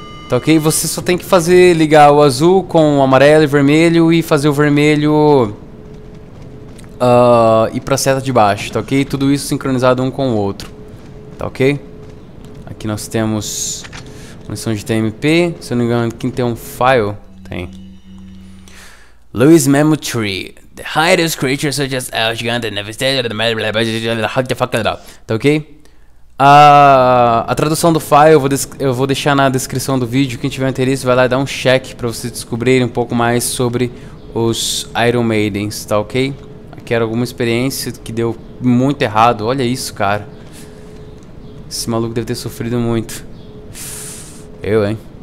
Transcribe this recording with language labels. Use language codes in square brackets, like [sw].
[pt] Tá ok, você só tem que fazer, ligar o azul com o amarelo e vermelho e fazer o vermelho... ir pra seta de baixo, tá ok? Tudo isso sincronizado um com o outro. Tá ok? Aqui nós temos munição de TMP. Se eu não me engano, quem tem um file? Tem. Lewis Memo Tree. [en] The hideous creatures such as Elgigant and Nevastator and the blah blah blah blah blah blah blah. [pt] Tá ok? A tradução do file eu vou deixar na descrição do vídeo. Quem tiver interesse vai lá dar um check pra vocês descobrirem um pouco mais sobre os Iron Maidens, tá ok? Que era alguma experiência que deu muito errado. Olha isso, cara. Esse maluco deve ter sofrido muito. Eu, hein.